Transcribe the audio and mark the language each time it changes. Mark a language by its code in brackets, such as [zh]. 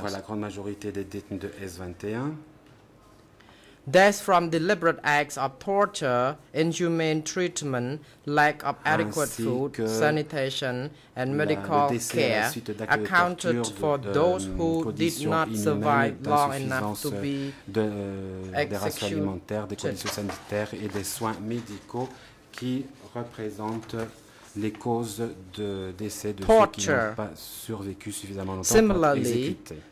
[fr] Pour la grande majorité des détenus de S21. [en] Death from deliberate acts of torture, inhumane treatment, lack of adequate food, sanitation, and medical care accounted for those who did not survive long enough to be executed. [fr] Des conditions sanitaires et des soins médicaux qui représentent les causes de décès de ceux qui n'ont pas survécu suffisamment longtemps pour être exécutés.